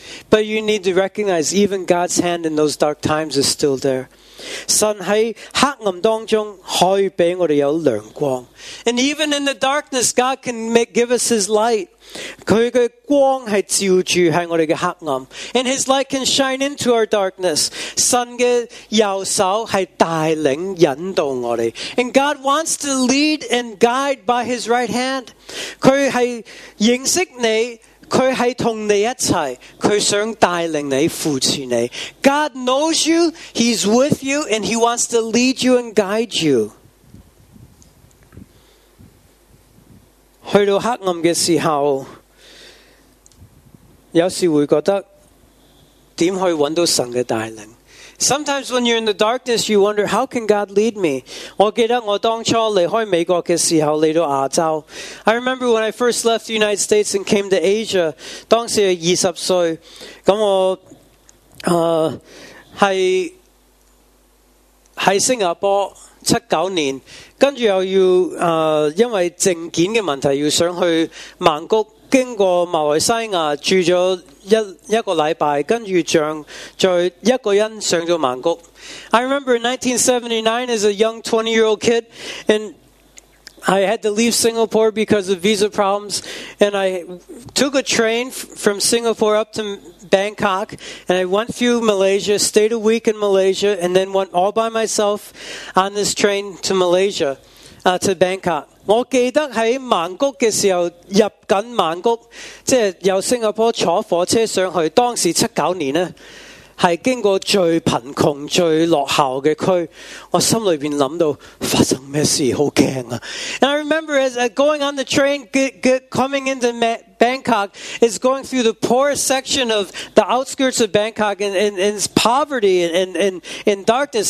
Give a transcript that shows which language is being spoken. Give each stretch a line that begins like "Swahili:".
English: But you need to recognize even God's hand in those dark times is still there.
Chinese: 神在黑暗当中可以给我们有亮光。
English: And even in the darkness, God can make, give us His light.
Chinese: 祂的光是照住在我们的黑暗,
English: and His light can shine into our darkness.
Chinese: 神的右手是带领引导我们,
English: and God wants to lead and guide by His right hand.
Chinese: 祂是认识你, 祂是和你一起,
English: God knows you, He's with you, and He wants to lead you and guide you.
Chinese: 去到黑暗的时候, 有时会觉得怎可以找到神的带领。
English: Sometimes when you're in the darkness, you wonder, how can God lead me?
Chinese: 我记得我当初离开美国的时候来到亚洲,
English: I remember when I first left the United States and came to Asia,
Chinese: 当时20岁, 我在新加坡七九年, 接着又要因为证件的问题要想去曼谷, 经过马来西亚住了一个礼拜, 接着再一个人上到曼谷。
English: I remember in 1979 as a young 20-year-old kid, and I had to leave Singapore because of visa problems, and I took a train from Singapore up to Bangkok, and I went through Malaysia, stayed a week in Malaysia, and then went all by myself on this train to Malaysia, to Bangkok.
Chinese: 我记得在曼谷的时候,入曼谷,即是由新加坡坐火车上去, 当时七九年,是经过最贫穷,最落后的区, 我心里面想到,发生什么事,好怕啊。
English: And I remember as going on the train, coming into Bangkok, is going through the poorest section of the outskirts of Bangkok, and it's poverty and darkness.